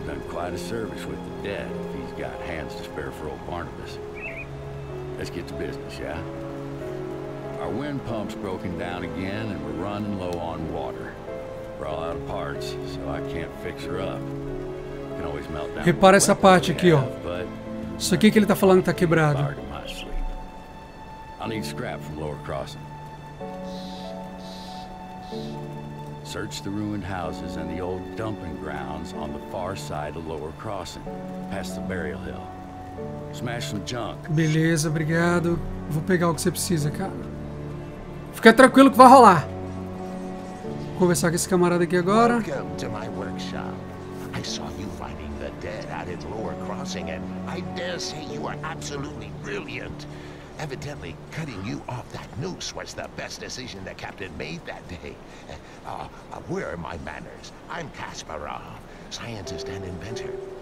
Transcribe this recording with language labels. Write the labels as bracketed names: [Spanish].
[English] Quite a service with the dead if he's got hands to spare for old Barnabas. Let's get to business, yeah? Our wind pump's broken down again and we're running low on water. We're all out of parts, so I can't fix her up. We can always melt down. [Portuguese] Repara essa parte aqui, ó. Isso aqui que ele tá falando tá quebrado. [English] I'll need scrap from Lower Crossing. Search the ruined houses and the old dumping grounds on the far side of Lower Crossing, past the burial hill. Smash some junk. [Portuguese] Beleza, obrigado. Vou pegar o que você precisa, cara. Fica tranquilo que vai rolar. Vou conversar com esse camarada aqui agora. [English] Welcome to my workshop. I saw you finding the dead out at Lower Crossing, and I dare say you are absolutely brilliant. Evidently, cutting you off that noose was the best decision the captain made that day. Where are my manners? I'm Kasparov, scientist and inventor.